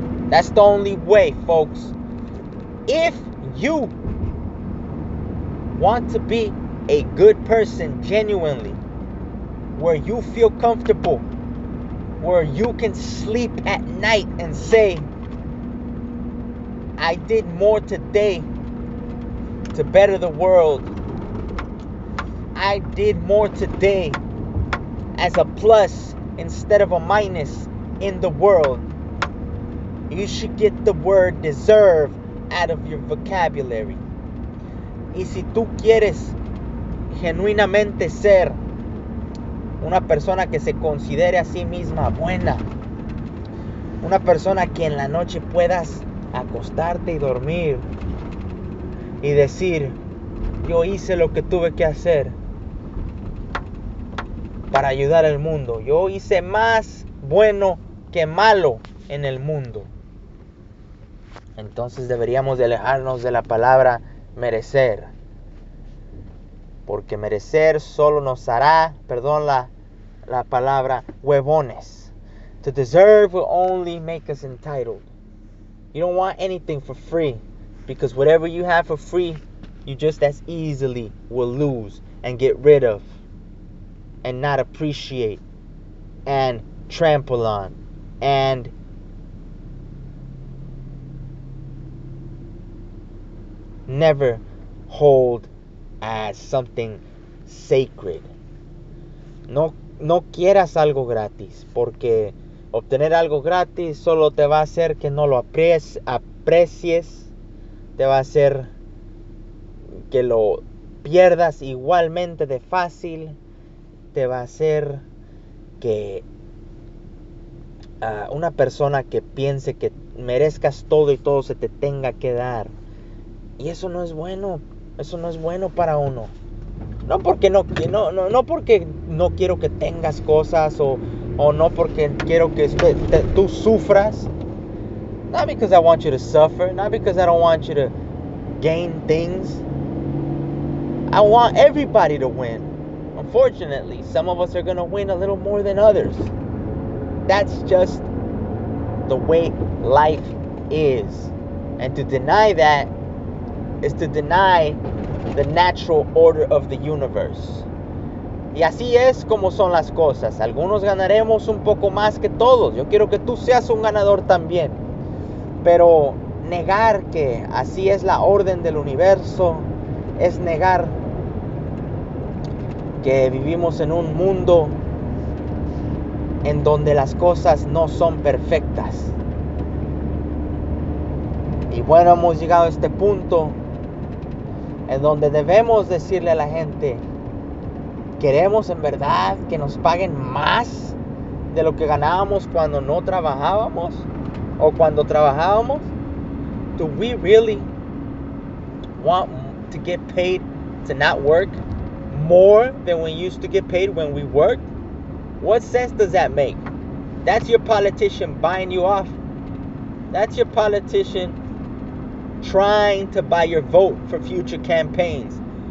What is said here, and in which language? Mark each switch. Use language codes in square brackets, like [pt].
[en] That's the only way, folks. If you want to be a good person genuinely, where you feel comfortable, where you can sleep at night and say, I did more today to better the world. I did more today as a plus instead of a minus in the world. You should get the word deserve out of your vocabulary. [es] Y si tú quieres genuinamente ser una persona que se considere a sí misma buena, una persona que en la noche puedas acostarte y dormir y decir, yo hice lo que tuve que hacer para ayudar al mundo. Yo hice más bueno que malo en el mundo. Entonces deberíamos de alejarnos de la palabra merecer. Porque merecer solo nos hará, perdón la palabra, huevones. [en] To deserve will only make us entitled. You don't want anything for free, because whatever you have for free, you just as easily will lose and get rid of and not appreciate and trample on and never hold as something sacred. No [es] no quieras algo gratis, porque obtener algo gratis solo te va a hacer que no lo aprecies, te va a hacer que lo pierdas igualmente de fácil, te va a hacer que una persona que piense que merezcas todo y todo se te tenga que dar. Y eso no es bueno, eso no es bueno para uno. No porque no quiero que tengas cosas o no porque quiero que tú sufras. [en] Not because I want you to suffer, not because I don't want you to gain things. I want everybody to win. Unfortunately, some of us are going to win a little more than others. That's just the way life is. And to deny that is to deny the natural order of the universe. [es] Y así es como son las cosas. Algunos ganaremos un poco más que todos. Yo quiero que tú seas un ganador también. Pero negar que así es la orden del universo es negar que vivimos en un mundo en donde las cosas no son perfectas. Y bueno, hemos llegado a este punto en donde debemos decirle a la gente: ¿queremos en verdad que nos paguen más de lo que ganábamos cuando no trabajábamos? ¿O cuando trabajábamos? [en] ¿Do we really want to get paid to not work more than we used to get paid when we worked? What sense does that make? That's your politician buying you off. That's your politician trying to buy your vote for future campaigns.